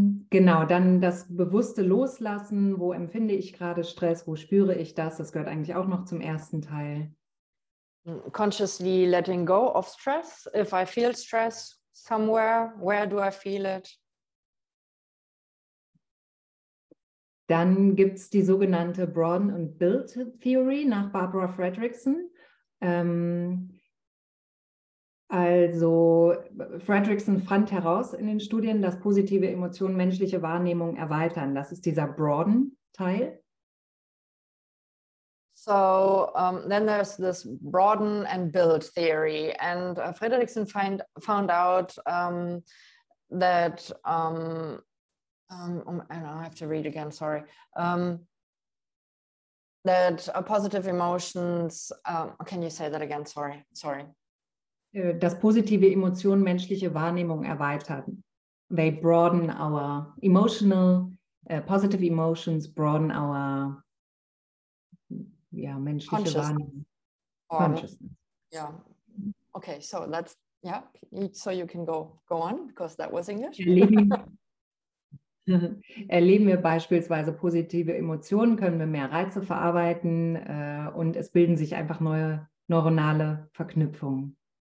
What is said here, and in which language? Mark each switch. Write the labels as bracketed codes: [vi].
[de] Genau, dann das bewusste Loslassen, wo empfinde ich gerade Stress, wo spüre ich das? Das gehört eigentlich auch noch zum ersten Teil. [en] Consciously letting go of stress. If I feel stress somewhere, where do I feel it? [de] Dann gibt es die sogenannte Broaden and Build Theory nach Barbara Fredrickson. Also Fredrickson fand heraus in den Studien, dass positive Emotionen menschliche Wahrnehmung erweitern. Das ist dieser Broaden-Teil. [en] So then there's this broaden and build theory. And Fredrickson found out that, I have to read again, sorry. That positive emotions, can you say that again? Sorry. [de] Dass positive Emotionen menschliche Wahrnehmung erweitern. [en] They broaden our emotional, positive emotions broaden our [de] menschliche Wahrnehmung. [en] Consciousness. Yeah. Okay, so that's, so you can go on, because that was English. [de] Erleben wir beispielsweise positive Emotionen, können wir mehr Reize verarbeiten und es bilden sich einfach neue neuronale Verknüpfungen.